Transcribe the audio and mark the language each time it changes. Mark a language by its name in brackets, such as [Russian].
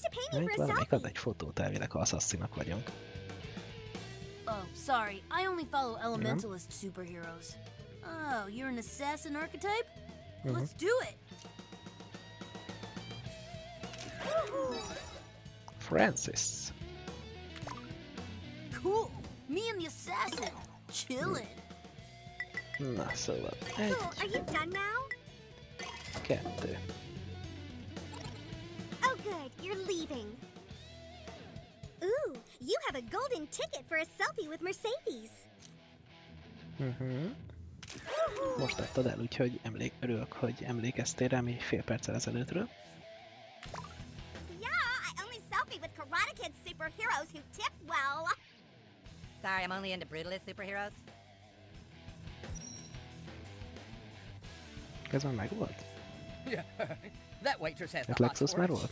[Hungarian] Itt van, még ad egy fotót elvileg, ha assassinak vagyunk. [English] Sorry, I only follow elementalist superheroes. Oh, you're an assassin archetype? Mm-hmm. Let's do it! Francis! Cool! Me and the assassin! Chillin'! [Hungarian] Na, szóval... [English] Cool, are you done now? [Hungarian] Kettő. [English] Oh good, you're leaving! Ooh, you have a golden ticket for a selfie with Mercedes. Mhm. [Hungarian] Most adtad el, úgyhogy örülök, hogy emlékeztél rám egy fél perccel ezelőttről. [English] Yeah, I only selfie with Karate Kid superheroes who tip well. Sorry, I'm only into brutalist superheroes. [Hungarian] Ez már megvolt? [English] Yeah, that waitress has a lot of orange. [Hungarian] Volt,